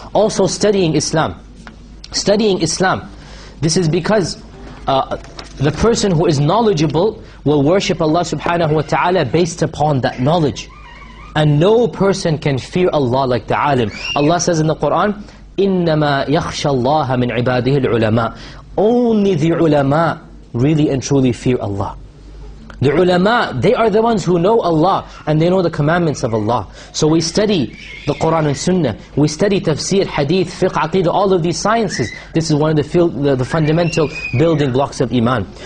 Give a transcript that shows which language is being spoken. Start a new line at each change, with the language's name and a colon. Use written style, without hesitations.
English: Also studying Islam. Studying Islam. This is because the person who is knowledgeable will worship Allah subhanahu wa ta'ala based upon that knowledge. And no person can fear Allah like the alim. Allah says in the Qur'an,
Arabic: إنما يخشى الله من عباده العلماء.
English: Only the ulama really and truly fear Allah. The ulama, they are the ones who know Allah and they know the commandments of Allah. So we study the Quran and Sunnah, we study tafsir, hadith, fiqh, aqidah, all of these sciences. This is one of the fundamental building blocks of iman.